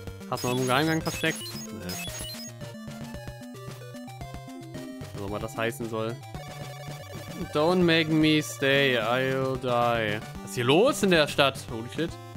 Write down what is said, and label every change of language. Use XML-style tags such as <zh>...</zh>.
<de>Hast du noch einen Geheimgang versteckt? Nee. Was auch mal das heißen soll.</de> <en>Don't make me stay, I'll die.</en> <de>Was ist hier los in der Stadt?</de> <en>Holy shit.</en>